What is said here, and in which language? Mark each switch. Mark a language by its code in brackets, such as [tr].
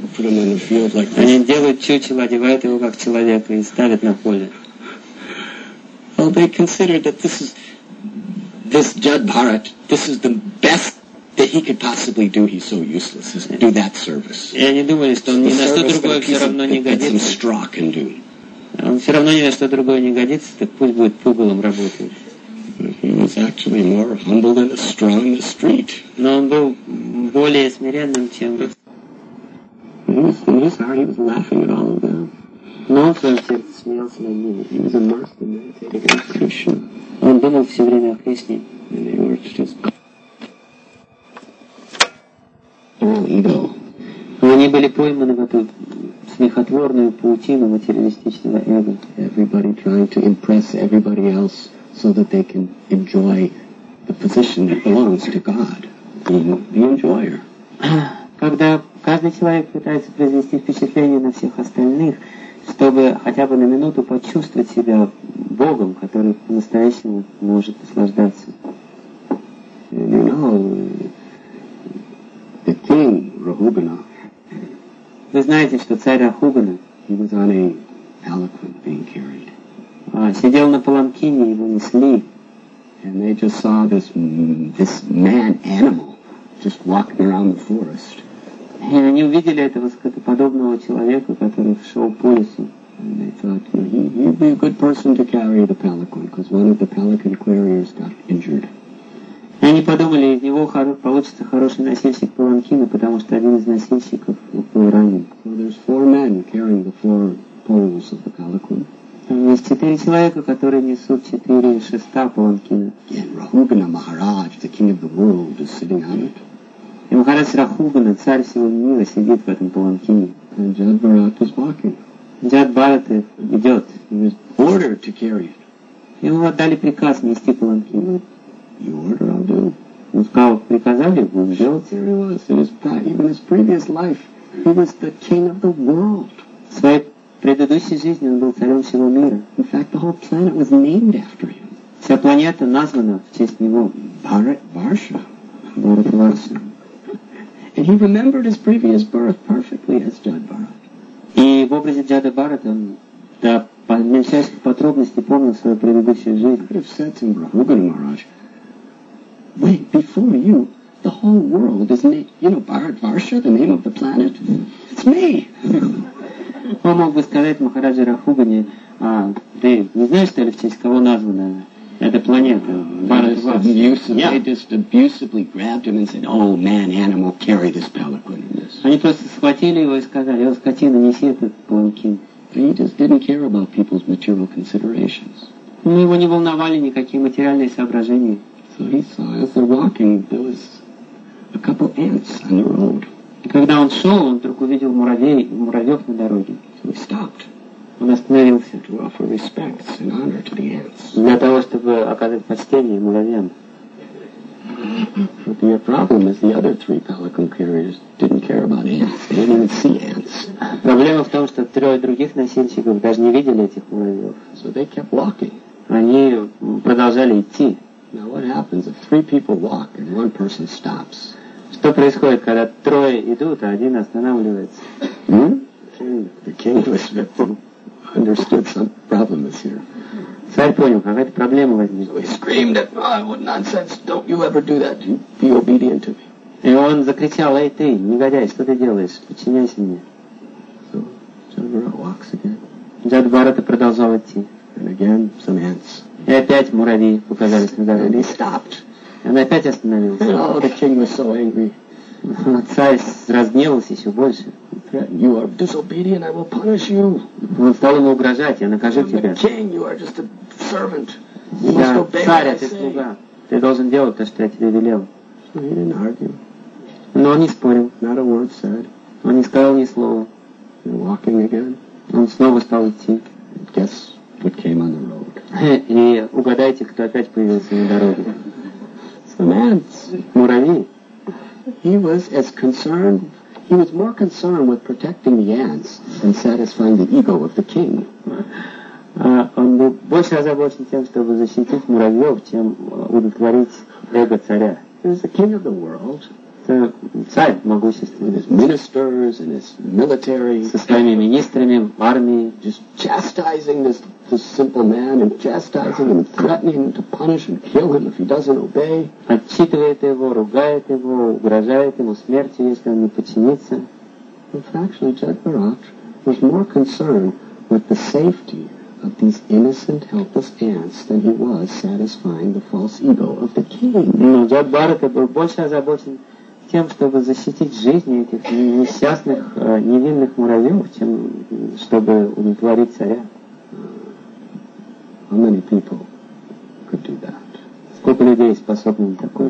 [ru] Они делают чучело, одевают его как человека и ставят на поле. [en] Well, they considered that this Jad Bharat, this is the best that he could possibly do. He's so useless. Just do that service. [ru] И они думали, что он ни на что другое все равно не годится. [en] Some straw can do. [ru] Он все равно ни на что другое не годится, так пусть будет пугалом работать. [en] He was actually more humble than a straw in the street. [ru] Но он был более смиренным, чем... [en] He was sorry, he was laughing at all of them. [ru] Но он в своем сердце смеялся над ними. [en] He was immersed in meditating on Krishna. [ru] Он думал все время о Кришне. [en] And they were just... ego. [ru] Они были пойманы в эту смехотворную паутину материалистичного эго. [en] Everybody trying to impress everybody else so that they can enjoy the position that belongs to God, the enjoyer. [ru] Когда каждый человек пытается произвести впечатление на всех остальных, чтобы хотя бы на минуту почувствовать себя Богом, который по-настоящему может наслаждаться. [en] And you know, the king Rahugana. [ru] Вы знаете, что царь Рахугана, [en] he was on a palanquin being carried. [ru] Сидел на паланкине, его несли. [en] And they just saw this man-animal just walking around the forest. [ru] И они увидели этого скотоподобного человека, который шел по лесу. [en] And they thought, he'd be a good person to carry the palanquin, because one of the palanquin carriers got injured. [ru] И они подумали, из него получится хороший носильщик паланкина, потому что один из носильщиков был ранен. [en] So there's four men carrying the four poles of the palanquin. [ru] Там есть четыре человека, которые несут четыре шеста паланкина. [en] And Rahugana Maharaj, the king of the world, is sitting on it. [ru] И Махарадж Рахугана, царь всего мира, сидит в этом паланкине. [en] And Jad Bharat is walking. [ru] Jad Bharat идет. [en] He was ordered to carry it. [ru] Ему отдали приказ нести паланкин. [en] You order, I'll do. [ru] Он сказал, приказали, он делает. [en] There he was. Even his previous life, he was the king of the world. [ru] В предыдущей жизни он был царем всего мира. [en] In fact, the whole planet was named after him. [ru] Вся планета названа в честь него. [en] Bharat Varsha. [ru] Bharat Varsha. [en] And he remembered his previous birth perfectly as Jad Bharat. [ru] И в образе Джада Бхарата он до мельчайших подробностей помнил свою предыдущую жизнь. [en] He could have said to Rahugana Maharaj, wait, before you, the whole world is named, you know, Bharat Varsha, the name of the planet, it's me. [ru] Он мог бы сказать Махараджи Рахугане, ты не знаешь, что ли, в честь кого названа Эта планета. [en] Just abusively grabbed him and said, "Oh man, animal, carry this palanquin." [ru] Они просто схватили его и сказали: "О, скотина, неси этот паланкин." [en] He just didn't care about people's material considerations. [ru] Мы его не волновали никакие материальные соображения. [en] So he saw as they're walking, there was a couple ants on the road. [ru] И когда он шел, он вдруг увидел муравьев на дороге. [en] So he stopped. [ru] Он остановился. [en] To offer respects and honor to the ants. [ru] Для того, чтобы оказать почтение муравьям. [en] But the problem is the other three pelican carriers didn't care about ants. They didn't even see ants. [ru] Проблема в том, что трое других носильщиков даже не видели этих муравьев. [en] So they kept walking. [ru] Они продолжали идти. [en] Now what happens if three people walk and one person stops? [ru] Что происходит, когда трое идут, а один останавливается? [en] The king was understood some problem is here. [ru] Царь понял, какая-то проблема возникла. [en] So he screamed at me, "Oh, nonsense! Don't you ever do that? You be obedient to me." [ru] И он закричал: "Эй, ты, негодяй, что ты делаешь? Подчиняйся мне." [en] So Jadwara walks again. [ru] Jadwara продолжал идти. [en] And again, some ants. [ru] И опять муравьи показались на дороге. [en] And he stopped. [ru] Он опять остановился. [en] Oh, the king was so angry. [ru] Царь разгневался еще больше. [en] You are disobedient, I will punish you. [ru] Он стал ему угрожать, я накажу тебя. [en] You are the king, you are just a servant. You must obey what I say. [ru] Ты должен делать то, что я тебе велел. [en] He didn't argue. [ru] Но он не спорил. [en] Not a word said. [ru] Он не сказал ни слова. [en] And walking again. [ru] Он снова стал идти. [en] Guess what came on the road. [ru] И угадайте, кто опять появился на дороге. [en] Some ants. [ru] Муравьи. [en] He was as concerned. He was more concerned with protecting the ants than satisfying the ego of the king. [ru] Он был больше озабочен тем, чтобы защитить муравьев, чем удовлетворить эго царя. [en] He was the king of the world. [ru] Царь могущественный. [en] His ministers and his military. [ru] Со своими министрами, армией. [en] Just chastising this simple man and chastising him, threatening him to punish and kill him if he doesn't obey. [ru] Отчитывает его, ругает его, угрожает ему смертью, если он не подчинится. [en] But actually, Jadwaraj was more concerned with the safety of these innocent, helpless ants than he was satisfying the false ego of the king. [ru] Но Jadwaraj был больше озабочен тем, чтобы защитить жизни этих несчастных, невинных муравьев, чем чтобы удовлетворить царя. [en] How many people could do that? [ru] Сколько людей способны на такое?